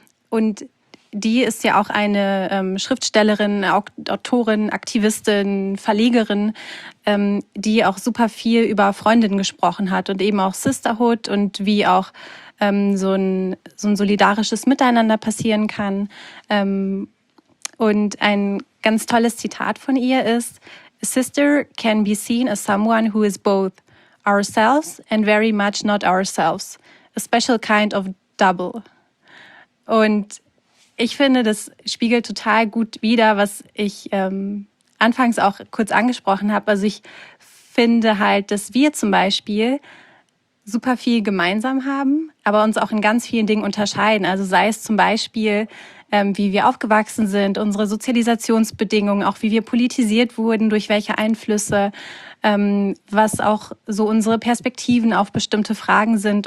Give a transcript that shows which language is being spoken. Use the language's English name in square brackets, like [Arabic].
[German] Und die ist ja auch eine Schriftstellerin, Autorin, Aktivistin, Verlegerin, die auch super viel über Freundinnen gesprochen hat und eben auch Sisterhood und wie auch so ein solidarisches Miteinander passieren kann. [English] Und ein ganz tolles Zitat von ihr ist: A sister can be seen as someone who is both ourselves and very much not ourselves. A special kind of double. [German] Und ich finde, das spiegelt total gut wider, was ich anfangs auch kurz angesprochen habe. Also ich finde halt, dass wir zum Beispiel super viel gemeinsam haben, aber uns auch in ganz vielen Dingen unterscheiden. Also sei es zum Beispiel, wie wir aufgewachsen sind, unsere Sozialisationsbedingungen, auch wie wir politisiert wurden, durch welche Einflüsse, was auch so unsere Perspektiven auf bestimmte Fragen sind.